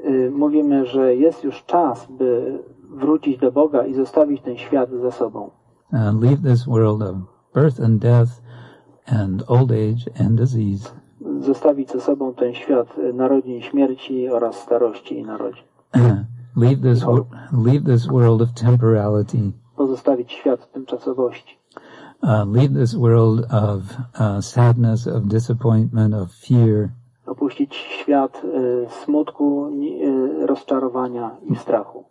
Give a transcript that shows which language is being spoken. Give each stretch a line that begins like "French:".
Polish: Mówimy, że jest już czas, by wrócić do Boga i zostawić ten świat za sobą.
English: And leave this world of birth and death and old age and disease.
Polish: Zostawić ze sobą ten świat narodzin, śmierci oraz starości i narodzin.
English: Leave this world of temporality.
Polish: Pozostawić świat tymczasowości.
English: Leave this world of sadness, of disappointment, of fear.
Polish: Opuścić świat smutku, rozczarowania i strachu.